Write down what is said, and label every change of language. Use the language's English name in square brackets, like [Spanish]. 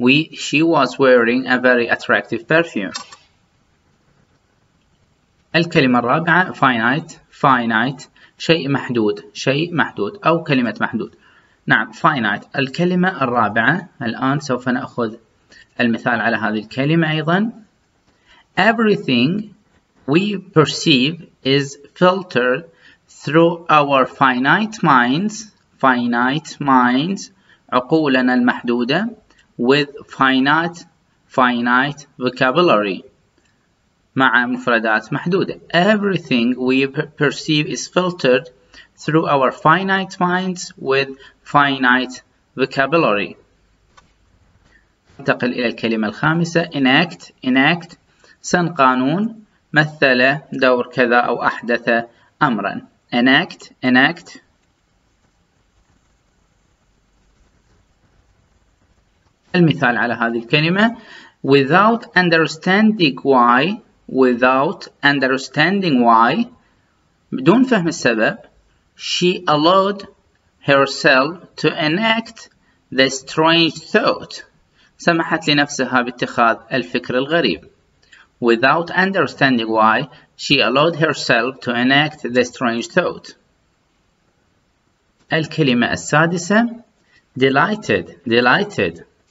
[English] She was wearing a very attractive perfume. [Arabic] الكلمة الرابعة finite. شيء محدود أو كلمة محدود. نعم finite. الكلمة الرابعة الآن سوف نأخذ المثال على هذه الكلمة أيضا. [English] Everything we perceive is filtered through our finite minds. [Arabic] عقولنا المحدودة. [English] With finite vocabulary. [Arabic] مع مفردات محدودة. [English] Everything we perceive is filtered through our finite minds with finite vocabulary. [Arabic] ننتقل إلى الكلمة الخامسة enact. سن قانون، مثل دور كذا أو أحدث أمرا. [English] enact. [Arabic] المثال على هذه الكلمة [English] without understanding why [Arabic] بدون فهم السبب. [English] She allowed herself to enact the strange thought. [Arabic] سمحت لنفسها باتخاذ الفكر الغريب. [English] Without understanding why, she allowed herself to enact the strange thought. [Arabic] الكلمة السادسة delighted.